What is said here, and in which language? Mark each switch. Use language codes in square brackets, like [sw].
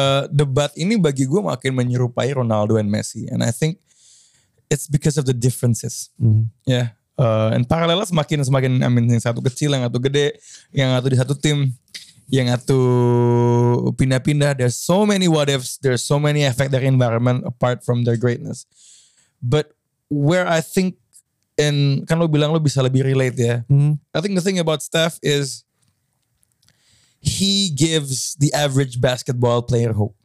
[id] Debat ini bagi gue makin menyerupai [en] Ronaldo and Messi. And I think it's because of the differences. Yeah. [id] And paralelnya semakin, [en] I mean, [id] yang satu kecil, yang satu gede, yang satu di satu tim, yang satu pindah-pindah. [en] There's so many what ifs. There's so many effect dari environment apart from their greatness. But where I think, and [id] kan lo bilang lo bisa lebih relate ya. [en] I think the thing about Steph is he gives the average basketball player hope.